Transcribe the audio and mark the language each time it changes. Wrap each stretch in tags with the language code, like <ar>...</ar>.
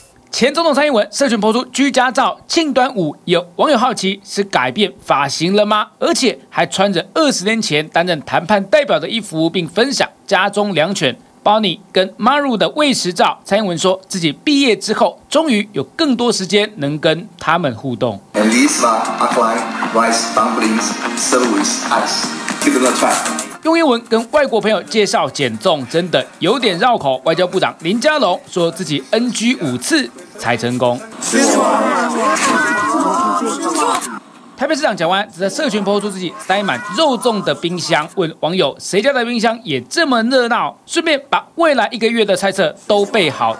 <zh>前总统蔡英文社群PO出居家照庆端午，有网友好奇是改变发型了吗？而且还穿着20年前担任谈判代表的衣服，并分享家中两犬Bonnie跟 Maru 的喂食照。蔡英文说自己毕业之后，终于有更多时间能跟他们互动。</zh> <en>And these are acquired rice dumplings served with ice. Give them a try.</en> <zh>用英文跟外国朋友介绍减重真的有点绕口。外交部长林佳龙说自己 NG 5次才成功。台北市长蒋万安则在社群PO出自己塞满肉粽的冰箱，问网友谁家的冰箱也这么热闹，顺便把未来一个月的菜色都备好。</zh>